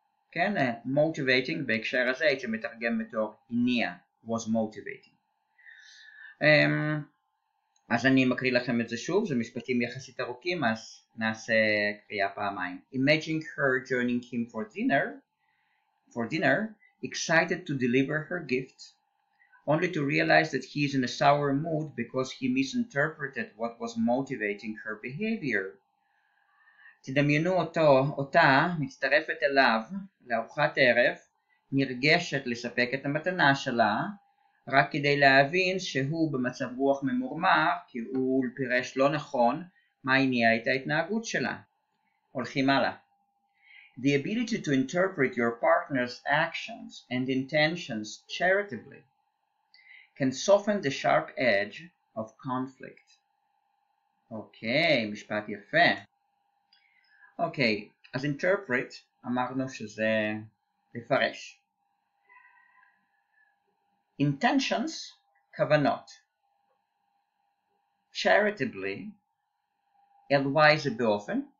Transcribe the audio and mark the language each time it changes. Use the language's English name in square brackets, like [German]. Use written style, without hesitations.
[Hebrew] כן, motivating בהקשר הזה הייתי מתרגם בתור הניע, [English] was motivating. [Hebrew] אז אני מקריא לכם את זה שוב, זה משפטים יחסית ארוכים, אז נעשה קריאה פעמיים. [English] Imagine her joining him for dinner, excited to deliver her gift, only to realize that he is in a sour mood because he misinterpreted what was motivating her behavior. [Hebrew] תדמיינו אותו, אותה, מצטרפת אליו, לארוחת ערב, נרגשת לספק את המתנה שלה, רק כדי להבין שהוא במצב רוח ממורמר, כי הוא פירש לא נכון, מה הניעה את ההתנהגות שלה. הולכים הלאה. [English] The ability to interpret your partner's actions and intentions charitably can soften the sharp edge of conflict. [Hebrew] אוקיי, משפט יפה. אוקיי, אז interpret, אמרנו שזה לפרש. Intentions, כוונות. Charitably, אלוויזה באופן,